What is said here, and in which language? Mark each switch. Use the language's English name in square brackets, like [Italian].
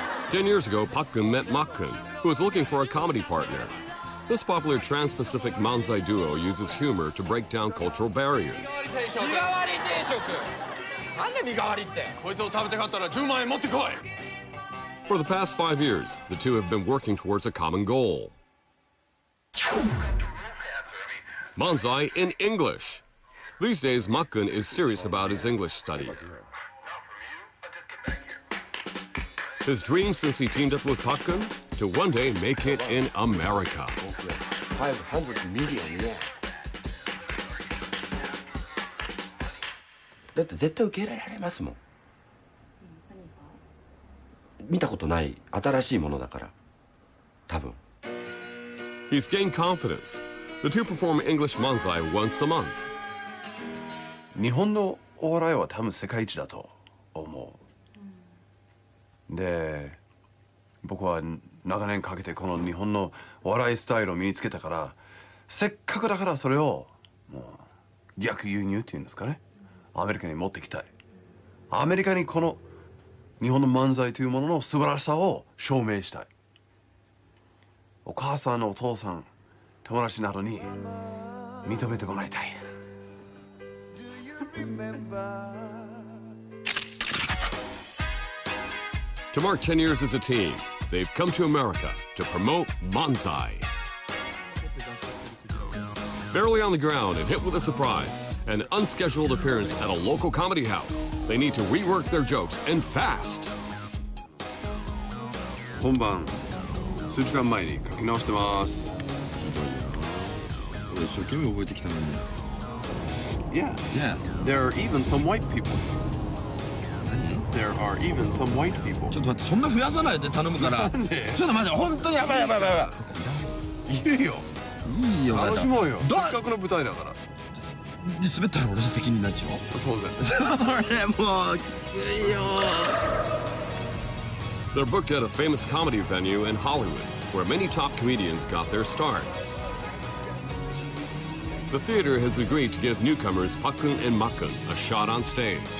[English] 10 years ago, Pakkun met Makkun, who was looking for a comedy partner. This popular trans-Pacific manzai duo uses humor to break down cultural barriers. [Japanese] 日替わり定食。なんで身代わりって。こいつを食べたかったら10万円持ってこい。 [English] For the past 5 years, the two have been working towards a common goal. Manzai in English. These days, Makkun is serious about his English study. His dream since he teamed up with Pakkun? To one day make it in America. 500 million yen [Japanese] だって絶対受け入れられますもん。見たことない新しいものだから、多分。 [English] He's gained confidence. The two perform English manzai once a month. [Japanese] 日本のお笑いは多分世界一だと思う。で、僕は長年かけてこの日本のお笑いスタイルを身につけたから、せっかくだからそれをもう逆輸入っていうんですかね。アメリカに持ってきたい。アメリカにこの日本の漫才というものの素晴らしさを証明したい。お母さんのお父さん、友達などに認めてもらいたい。 [English] To mark 10 years as a team, they've come to America to promote 漫才。 Barely on the ground and hit with a surprise. An unscheduled appearance at a local comedy house. They need to rework their jokes and fast. [Japanese] 本番数時間前に書き直してます。一生懸命覚えてきたのに。 [English] Yeah. There are even some white people. There are even some white people. [Japanese] ちょっと待って、そんな増やさないで頼むから。ちょっと待って、本当にやばい。いるよ。いいよ、楽しもうよ。せっかくの舞台だから。滑ったら俺の責任になっちゃう。当然。もうきついよ。 [English] They're booked at a famous comedy venue in Hollywood, where many top comedians got their start. The theater has agreed to give newcomers Pakkun and Makkun a shot on stage.